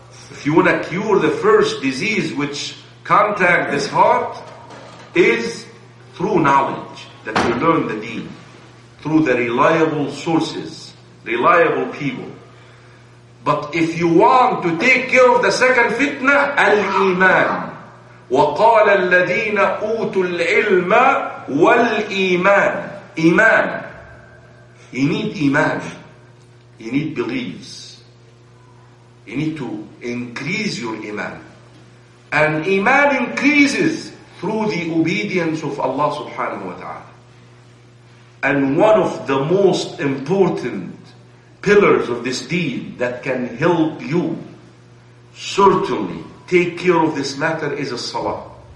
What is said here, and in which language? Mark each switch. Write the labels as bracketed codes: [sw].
[en] If you want to cure the first disease which contact this heart, is through knowledge that you learn the deen, through the reliable sources, reliable people. But if you want to take care of the second fitna, al-iman. [ar] وَقَالَ الَّذِينَ أُوتُوا الْعِلْمَ وَالْإِيمَانِ Iman. [en] You need iman. You need beliefs. You need to increase your iman. And iman increases through the obedience of Allah subhanahu wa ta'ala. And one of the most important pillars of this deen that can help you certainly take care of this matter is a salah.